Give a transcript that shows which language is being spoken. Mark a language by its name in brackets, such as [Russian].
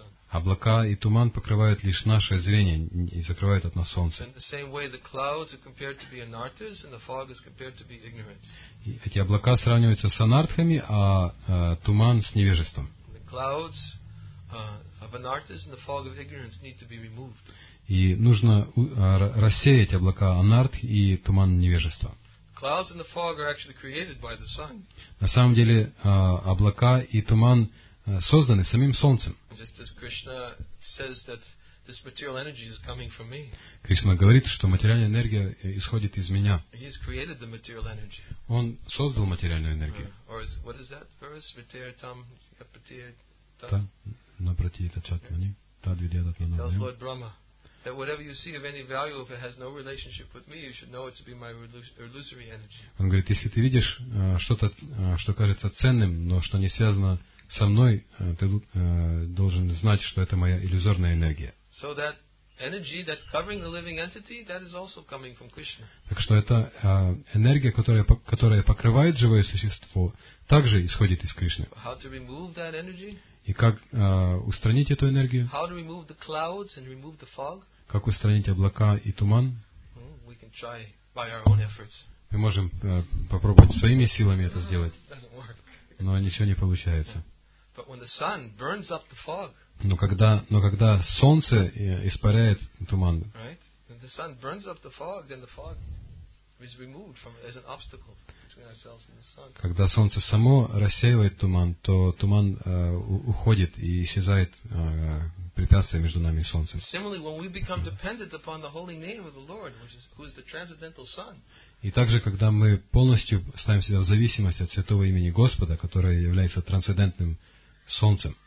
[Russian] Облака и туман покрывают лишь наше зрение и закрывают от нас солнце. [English] In the same way, the clouds are compared to be anarthas, and the fog is compared to be ignorance. [Russian] Эти облака сравниваются с анартхами, а туман с невежеством. [English] The clouds of anarthas and the fog of ignorance need to be removed. [Russian] И нужно рассеять облака анарт и туман невежества. [English] Clouds and the fog are actually created by the sun. [Russian] На самом деле облака и туман созданы самим солнцем. [English] Just as Krishna says that this material energy is coming from me. [Russian] Кришна говорит, что материальная энергия исходит из меня. [English] He has created the material energy. [Russian] Он создал материальную энергию. [English] Or is, what is that verse? [Sanskrit] Vitir tam kapatir tam napratita chatmani tadvidyadatmanam. [English] He tells Lord Brahma that whatever you see of any value, if it has no relationship with me, you should know it to be my illusory energy. [Russian] Он говорит, если ты видишь что-то, что кажется ценным, но что не связано со мной, ты должен знать, что это моя иллюзорная энергия. [English] So that energy, that covering the living entity, that is also coming from Krishna. [Russian] Так что эта энергия, которая покрывает живое существо, также исходит из Кришны. [English] How to remove that energy? [Russian] И как устранить эту энергию? [English] How to remove the clouds and remove the fog? [Russian] Как устранить облака и туман? [English] We can try by our own efforts. [Russian] Мы можем попробовать своими силами это сделать. [English] Doesn't work. [Russian] Но ничего не получается. [English] But when the sun burns up the fog, [Russian] но когда солнце испаряет туман, [English] right? When the sun burns up the fog, then the fog is removed from as an obstacle between ourselves and the sun. [Russian] Когда солнце само рассеивает туман, то туман уходит и исчезает препятствие между нами и солнцем. [English] Similarly, when we become dependent upon the holy name of the Lord, who is the transcendental sun. [Russian] И также, когда мы полностью ставим себя в зависимость от святого имени Господа, которое является трансцендентным солнцем,